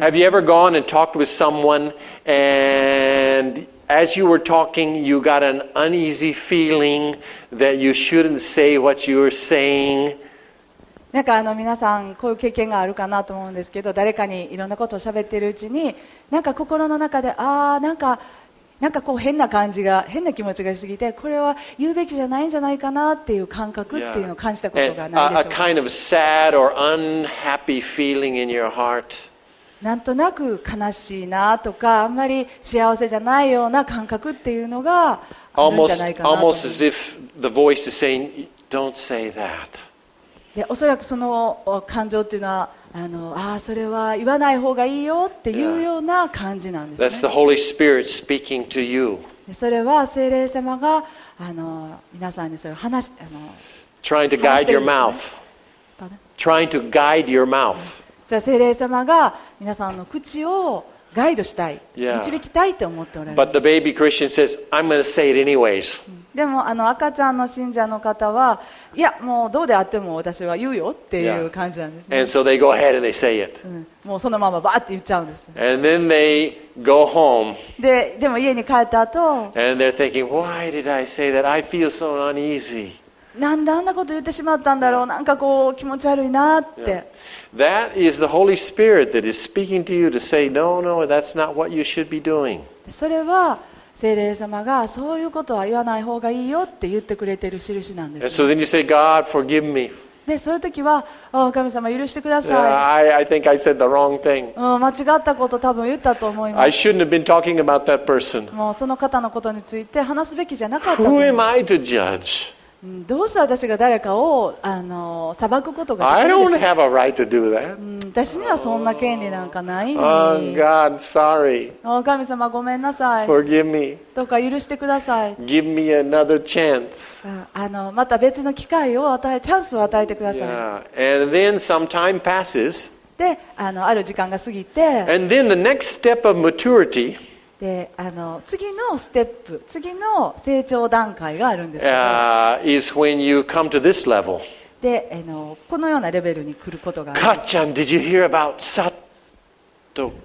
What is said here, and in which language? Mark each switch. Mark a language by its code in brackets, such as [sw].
[en] Have you ever gone and talked with someone and as you were talking you got an uneasy feeling that you shouldn't say what you were saying? [ja] なんかあの皆さんこういう経験があるかなと思うんですけど、誰かにいろんなことを喋っているうちに、なんか心の中でああなんかこう変な感じが、変な気持ちがしすぎて、これは言うべきじゃないんじゃないかなっていう感覚っていうのを感じたことがないでしょうか。 [en] A kind of sad or unhappy feeling in your heart. [ja] なんとなく悲しいなとか、あんまり幸せじゃないような感覚っていうのがあるんじゃないかな。 [en] Almost as if the voice is saying, don't say that. [ja] でおそらくその感情というのは、ああそれは言わない方がいいよっていうような感じなんですね。 [en] That's the Holy Spirit speaking to you. [ja] それは聖霊様が皆さんにそれを話し、 [en] Trying to guide your mouth. Trying to guide your mouth. [ja] じゃあ聖霊様が皆さんの口をガイドしたい、導きたいと思っておられる。 [en] But the baby Christian says, I'm going to say it anyways. [ja] でもあの赤ちゃんの信者の方はいやもうどうであっても私は言うよっていう感じなんですね。 [en] And so they go ahead and they say it. [ja] もうそのままバーって言っちゃうんです。 [en] And then they go home. [ja] でも家に帰った後 [en] And they're thinking, why did I say that? I feel so uneasy. [ja] なんであんなこと言ってしまったんだろう、なんかこう気持ち悪いなって、yeah. [en] That is the Holy Spirit that is speaking to you to say, no, no, that's not what you should be doing. [ja] それは聖霊様がそういうことは言わない方がいいよって言ってくれてる印なんです、ね、 [en] So then you say, God, forgive me. [ja] でそういう時は、oh, 神様許してください。 [en] Yeah, I think I said the wrong thing. [ja] 間違ったこと多分言ったと思います。 [en] I shouldn't have been talking about that person. [ja] もうその方のことについて話すべきじゃなかった。 [en] Who am I to judge? [ja] どうして私が誰かを裁くことができるんでしょう? [en] I don't have a right to do that. [ja] 私にはそんな権利なんかないのに。 [en] Oh, God, sorry. [ja] 神様ごめんなさい。 [en] Forgive me. [ja] どうか許してください。 [en] Give me another chance. [ja] また別の機会を与え、チャンスを与えてください。 [en] Yeah. And then some time passes. [ja] で、ある時間が過ぎて。 [en] And then the next step of maturity. [ja] で次のステップ、次の成長段階があるんですけど、 [en] is when you come to this level. [ja] でこのようなレベルに来ることがあります。 [en] かっちゃん、did you hear about Sato?